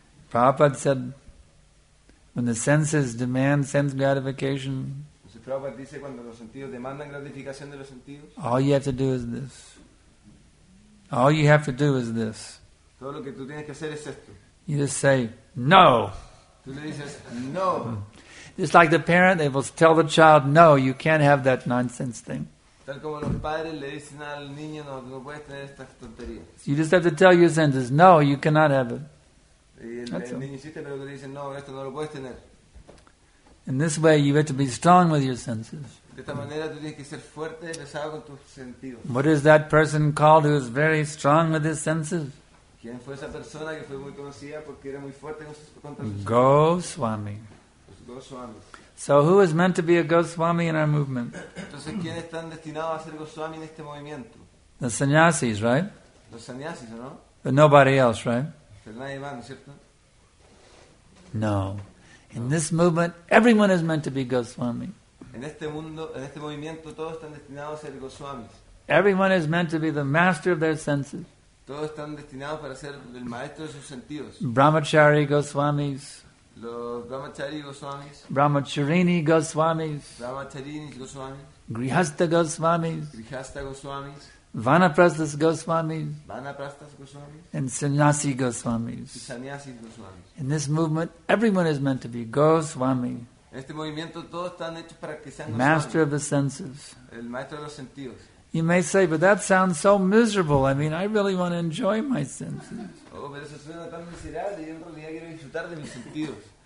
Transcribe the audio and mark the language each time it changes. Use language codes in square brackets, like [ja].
[en] Prabhupada said, when the senses demand sense gratification, [es] entonces, Prabhupada dice, cuando los sentidos demandan gratificación de los sentidos, [en] all you have to do is this. All you have to do is this. [es] Todo lo que tú tienes que hacer es esto. [en] You just say, no. [es] Tú le dices, no. [en] Just like the parent, they will tell the child, no, you can't have that nonsense thing. [es] Tal como los padres le dicen al niño, no, no puedes tener estas tonterías. [en] You just have to tell your senses, no, you cannot have it. [es] El niño insiste, pero le dicen, no, esto no lo puedes tener. [en] In this way, you have to be strong with your senses. [es] De esta manera, tú tienes que ser fuerte y pesado con tus sentidos. [en] What is that person called who is very strong with his senses? [es] ¿Quién fue esa persona que fue muy conocida porque era muy fuerte con sus [en] senses? Goswami. [es] Goswami. [en] So who is meant to be a Goswami in our movement? [es] Entonces, ¿quién están destinados a ser Goswami en este movimiento? [en] The sannyasis, right? [es] Los sannyasis, ¿no? [en] But nobody else, right? [es] Pero nadie más, ¿no es cierto? [en] No. In this movement, everyone is meant to be Goswami. [es] En este mundo, en este movimiento, todos están destinados a ser Goswamis. [en] Everyone is meant to be the master of their senses. [es] Todos están destinados para ser el maestro de sus sentidos. [en] Brahmachari Goswamis. [es] Los Brahmachari Goswamis, [en] Brahmacharini Goswamis, [es] Brahmacharini Goswamis, [en] Grihastha Goswamis, [es] Grihastha Goswamis, [en] Vanaprastha Goswamis, [es] Vanaprastha Goswamis, [en] and Sannyasi Goswamis. [es] Sannyasi Goswamis. [en] In this movement, everyone is meant to be Goswami. [es] En este movimiento todos están hechos para que sean [en] Master Goswami, of the senses. [es] El maestro de los sentidos. [en] You may say, but that sounds so miserable. I mean, I really want to enjoy my senses. [es] Oh, pero eso suena tan miserable y en realidad quiero disfrutar de mis sentidos.